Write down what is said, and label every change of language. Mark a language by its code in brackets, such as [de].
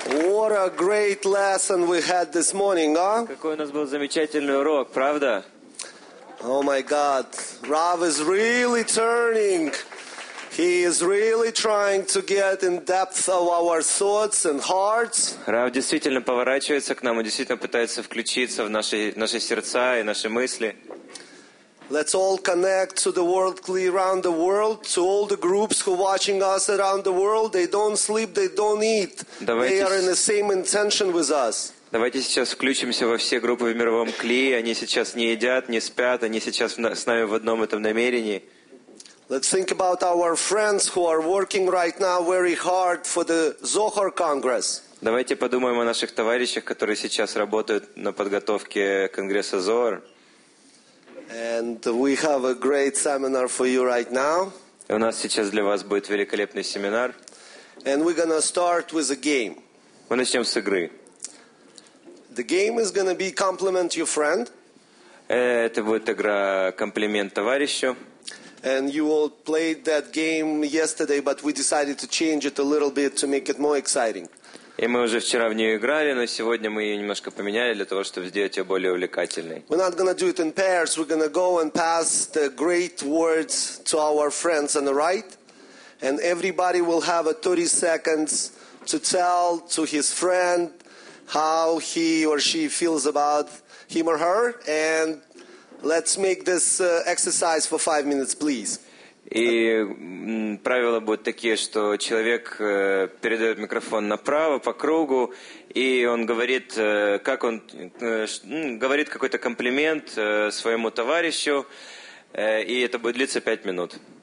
[en] What a great lesson we had this morning, huh? [ru] Какой у нас был замечательный урок, правда? [en] Oh my God, Rav is really turning. He is really trying to get in depth of our thoughts and hearts. [ru] Rav действительно поворачивается к нам и действительно пытается включиться в наши сердца и наши мысли. [en] Let's all connect to the world around the world, to all the groups who are watching us around the world. They don't sleep, they don't eat. They are in the same intention with us. [ru] Давайте сейчас включимся во все группы в мировом кли. Они сейчас не едят, не спят. Они сейчас с нами в одном этом намерении. [en] Let's think about our friends who are working right now very hard for the Zohar Congress. [ru] Давайте подумаем о наших товарищах, которые сейчас работают на подготовке конгресса Зохар. [en] And we have a great seminar for you right now. [ru] У нас сейчас для вас будет великолепный семинар. [en] And we're gonna start with a game. [ru] Мы начнем с игры. [en] The game is gonna be compliment your friend. [ru] Это будет игра комплимент товарищу. [en] And you all played that game yesterday, but we decided to change it a little bit to make it more exciting. [ru] И мы уже вчера в нее играли, но сегодня мы ее немножко поменяли для того, чтобы сделать ее более увлекательной. [en] We're not gonna do it in pairs. We're gonna go and pass the great words to our friends on the right, and everybody will have a 30 seconds to tell to his friend how he or she feels about him or her, and let's make this exercise for 5 minutes, please. [ru] И правила будут такие, что человек передает микрофон направо по кругу, и он говорит, как он говорит какой-то комплимент своему товарищу, и это будет длиться 5 минут.